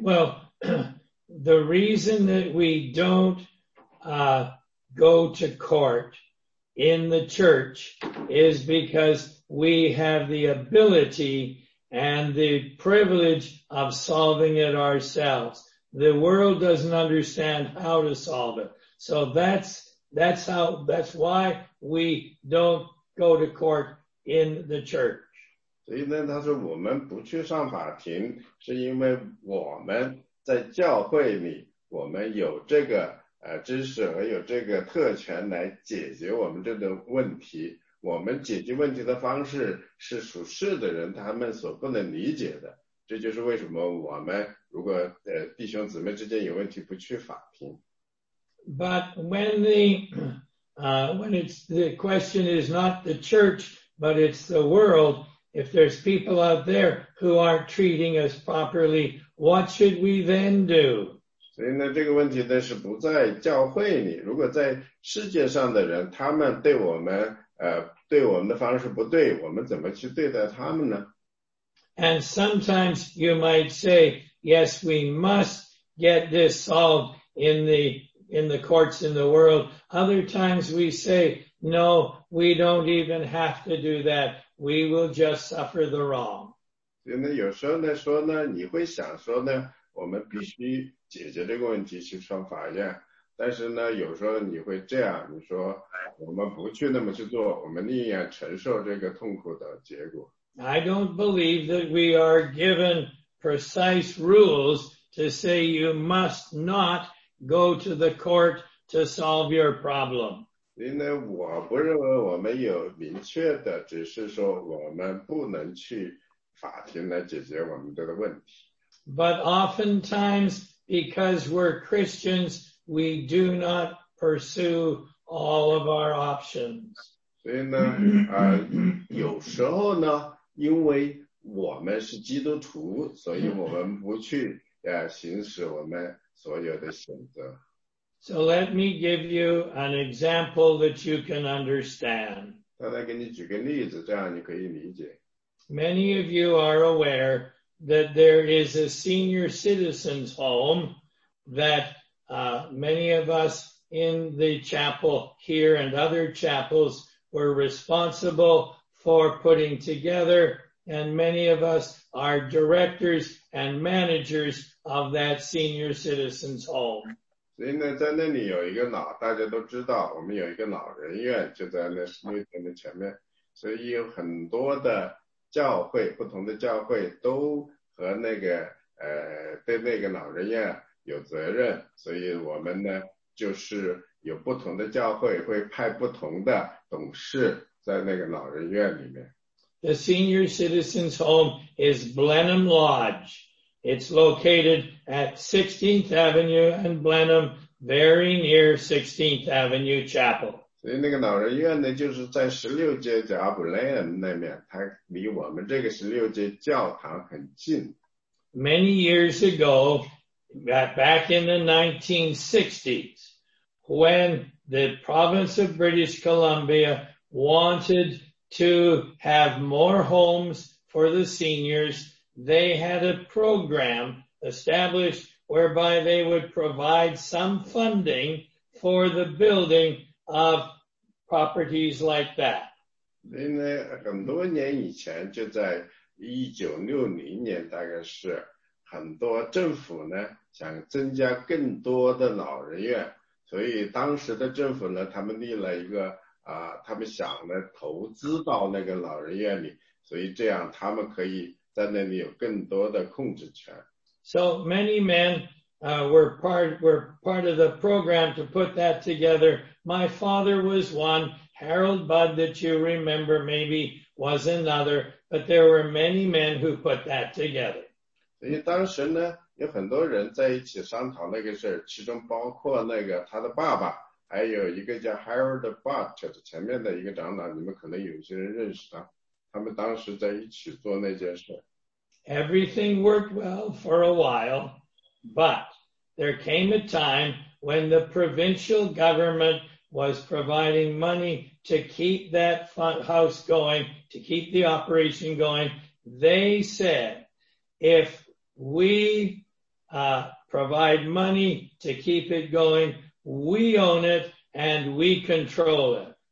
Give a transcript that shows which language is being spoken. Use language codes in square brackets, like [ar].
[en] Well, the reason that we don't go to court in the church is because we have the ability... and the privilege of solving it ourselves. The world doesn't understand how to solve it. So that's why we don't go to court in the church. [zh] 所以呢，他说我们不去上法庭，是因为我们在教会里，我们有这个知识和有这个特权来解决我们这个问题。我们解决问题的方式是属世的人他们所不能理解的，这就是为什么我们如果弟兄姊妹之间有问题不去法庭。 [en] But when the question is not the church, but it's the world, if there's people out there who aren't treating us properly, what should we then do? [zh] 所以呢，这个问题呢是不在教会里，如果在世界上的人他们对我们对我们的方式不对，我们怎么去对待他们呢？ [en] And sometimes you might say, Yes, we must get this solved in the courts in the world. Other times we say, no, we don't even have to do that. We will just suffer the wrong. [zh] 所以呢，有时候呢，说呢，你会想说呢，我们必须解决这个问题去上法院。但是呢，有时候你会这样，你说我们不去那么去做，我们宁愿承受这个痛苦的结果。 [en] I don't believe that we are given precise rules to say you must not go to the court to solve your problem. [zh] 因为我不认为我们有明确的，只是说我们不能去。 [en] But oftentimes, because we're Christians, we do not pursue all of our options. [zh] 所以呢，有时候呢，因为我们是基督徒，所以我们不去行使我们所有的选择。 [en] So let me give you an example that you can understand. [zh] 再来给你举个例子，这样你可以理解。 [en] Many of you are aware that there is a senior citizen's home that many of us in the chapel here and other chapels were responsible for putting together, and many of us are directors and managers of that senior citizen's home. [zh] 所以呢，在那里有一个老，大家都知道，我们有一个老人院就在那那边的前面，所以有很多的。教会不同的教会都和那个对那个老人院有责任，所以我们呢就是有不同的教会会派不同的董事在那个老人院里面。 [en] The senior citizen's home is Blenheim Lodge. It's located at 16th Avenue and Blenheim, very near 16th Avenue Chapel. [zh] 所以那个老人院呢，就是在16街角 Blenheim 那面，它离我们这个16街教堂很近。 [en] Many years ago, back in the 1960s, when the province of British Columbia wanted to have more homes for the seniors, they had a program established whereby they would provide some funding for the building of properties like that. [zh] 所以呢，很多年以前，就在1960年，大概是很多政府呢想增加更多的老人院，所以当时的政府呢，他们立了一个他们想呢投资到那个老人院里，所以这样他们可以在那里有更多的控制权。 [en] So many men were part of the program to put that together. My father was one. Harold Budd, that you remember maybe, was another. But there were many men who put that together. [zh] 所以当时呢，有很多人在一起商讨那个事，其中包括那个他的爸爸，还有一个叫 Harold Budd， 就是前面的一个长老，你们可能有些人认识他。他们当时在一起做那件事。 [en] Everything worked well for a while. But there came a time when the provincial government was providing money to keep that house going, to keep the operation going. They said, if we provide money to keep it going, we own it and we control it.